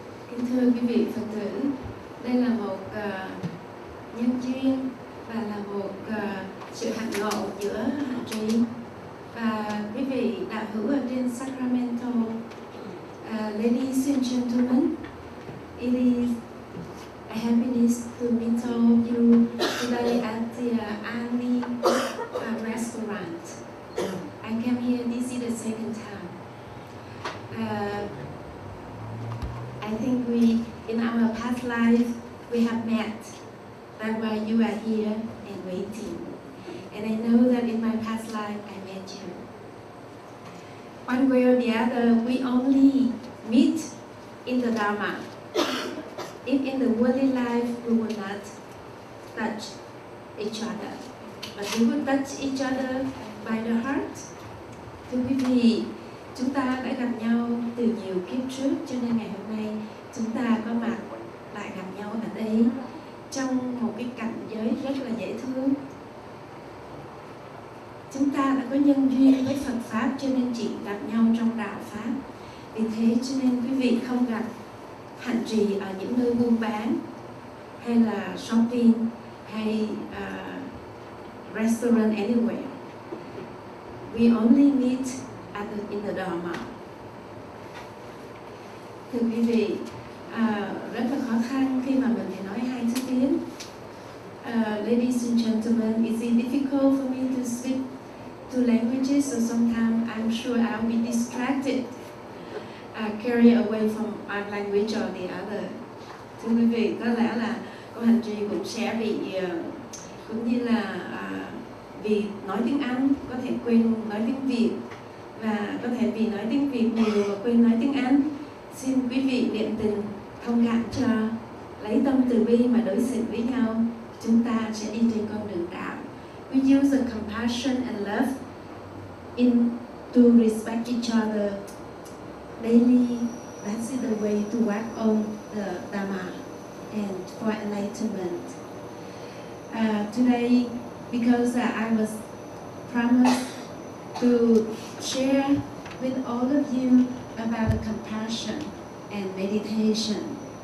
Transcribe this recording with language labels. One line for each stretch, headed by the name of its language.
Vietnamese: Kính thưa quý vị Phật tử, đây là một nhân duyên và là một sự hạnh ngộ giữa Hạ Trì và quý vị đạo hữu ở trên Sacramento.
English: Ladies and gentlemen, it is a happiness to meet all of you today at the Ani restaurant. I came here, this is the second time. I think we, in our past life, we have met. That's why you are here and waiting. And I know that in my past life, I met you. One way or the other, we only meet in the Dharma. If in the worldly life, we will not touch each other. But we will touch each other by the heart.
Vietnamese: Thưa quý vị, chúng ta đã gặp nhau từ nhiều kiếp trước, cho nên ngày hôm nay, chúng ta có mặt lại gặp nhau ở đây trong một cái cảnh giới rất là dễ thương. Chúng ta đã có nhân duyên với Phật Pháp cho nên chỉ gặp nhau trong Đạo Pháp. Vì thế cho nên quý vị không gặp Hạnh Trì ở những nơi buôn bán hay là shopping hay
English: restaurant anywhere. We only meet at the, in the Dharma.
Vietnamese: Thưa quý vị, rất là khó khăn khi mà mình phải nói hai thứ tiếng.
English: Ladies and gentlemen, is it difficult for me to speak two languages? So sometimes I'm sure I'll be distracted, carried away from one language or the other.
Vietnamese: Thưa quý vị, có lẽ là cô Hạnh Trì cũng sẽ bị, cũng như là vì nói tiếng Anh có thể quên nói tiếng Việt, và có thể vì nói tiếng Việt nhiều mà quên nói tiếng Anh. Xin quý vị niệm tình thông cảm cho, lấy tâm từ bi mà đối xử với nhau, chúng ta sẽ đi trên con đường đạo.
English: We use the compassion and love in to respect each other daily. That's the way to work on the Dharma and for enlightenment. Today, because I was promised to share with all of you about compassion and meditation.